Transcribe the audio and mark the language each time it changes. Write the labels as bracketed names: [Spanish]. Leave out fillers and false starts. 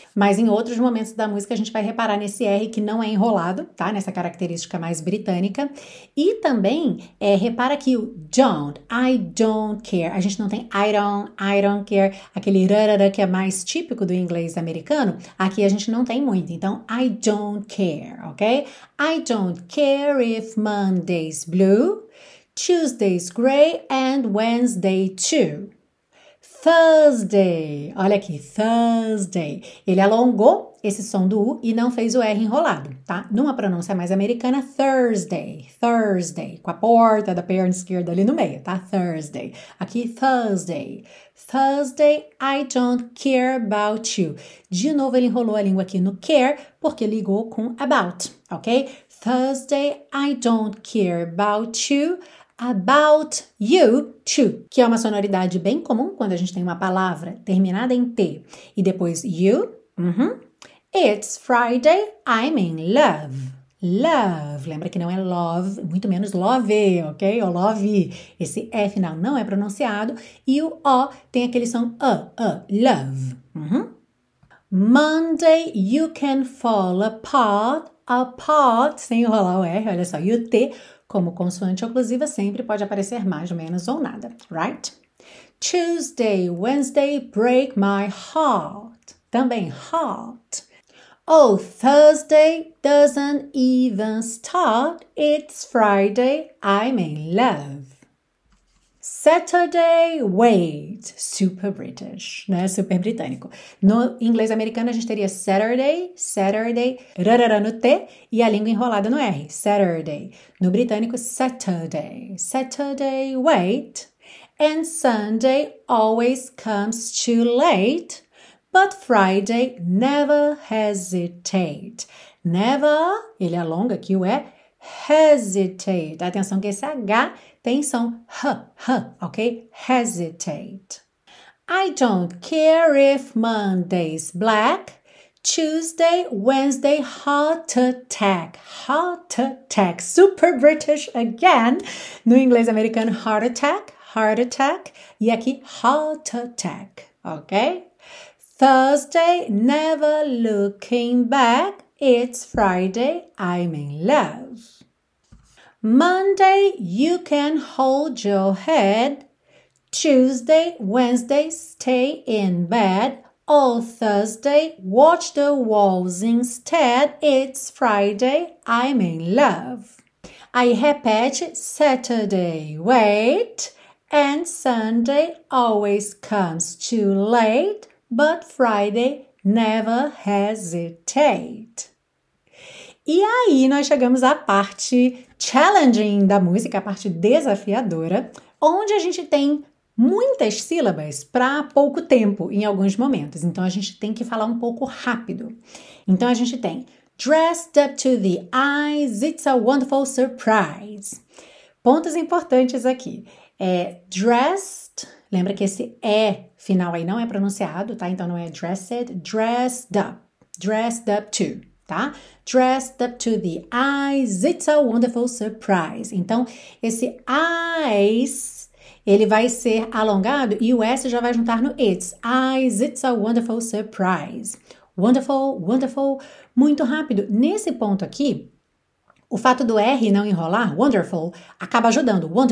[Portuguese] Mas em outros momentos da música a gente vai reparar nesse R que não é enrolado, tá? Nessa característica mais britânica. E também repara que o don't, [English] I don't care. [Portuguese] A gente não tem I don't care, aquele rarara que é mais típico do inglês americano. Aqui a gente não tem muito. Então [English] I don't care, ok? I don't care if Monday's blue, Tuesday's gray and Wednesday too. [Portuguese] Thursday, olha aqui, Thursday. Ele alongou esse som do U e não fez o R enrolado, tá? Numa pronúncia mais americana, Thursday, com a porta da perna esquerda ali no meio, tá? [English] Thursday. Aqui, Thursday. Thursday, I don't care about you. [Portuguese] De novo, ele enrolou a língua aqui no care, porque ligou com about, ok? [English] Thursday, I don't care about you. About you too, [Portuguese] que é uma sonoridade bem comum quando a gente tem uma palavra terminada em T e depois you. [English] It's Friday, I'm in love. Love, [Portuguese] lembra que não é [English] love, [Portuguese] muito menos [English] love, ok? Ou love. [Portuguese] Esse E final não é pronunciado e o O tem aquele som love. [English] Monday, you can fall apart, apart, [Portuguese] sem enrolar o R, olha só, e o T. Como consoante oclusiva, sempre pode aparecer mais, menos ou nada, right? [English] Tuesday, Wednesday, break my heart. [Portuguese] Também [English] heart. Oh, Thursday doesn't even start. It's Friday, I'm in love. Saturday, wait. Super British, [Portuguese] né? Super britânico. No inglês americano, a gente teria Saturday, rarara no T e a língua enrolada no R. [English] Saturday. [Portuguese] No britânico, [English] Saturday, wait. And Sunday always comes too late, but Friday never hesitate. [Portuguese] Never, ele alonga aqui o E, hesitate. Atenção que esse H tem som h, ok? [English] Hesitate. I don't care if Monday's black, Tuesday, Wednesday, heart attack. Super British again. [Portuguese] No inglês americano, [English] heart attack. [Portuguese] E aqui, [English] heart attack, [Portuguese] ok? [English] Thursday, never looking back. It's Friday, I'm in love. Monday, you can hold your head. Tuesday, Wednesday, stay in bed. All Thursday, watch the walls instead. It's Friday, I'm in love. [Portuguese] Aí repete: [English] Saturday, wait. And Sunday always comes too late. But Friday, never hesitate. [Portuguese] E aí, nós chegamos à parte challenging da música, a parte desafiadora, onde a gente tem muitas sílabas para pouco tempo, em alguns momentos. Então, a gente tem que falar um pouco rápido. Então, a gente tem [English] dressed up to the eyes, it's a wonderful surprise. [Portuguese] Pontos importantes aqui. É dressed, lembra que esse E final aí não é pronunciado, tá? Então, não é dressed, [English] dressed up to. [Portuguese] Tá? [English] Dressed up to the eyes, it's a wonderful surprise. [Portuguese] Então, esse eyes, ele vai ser alongado e o S já vai juntar no it's. [English] Eyes, it's a wonderful surprise. [Portuguese] Wonderful, muito rápido. Nesse ponto aqui, o fato do R não enrolar, wonderful, acaba ajudando.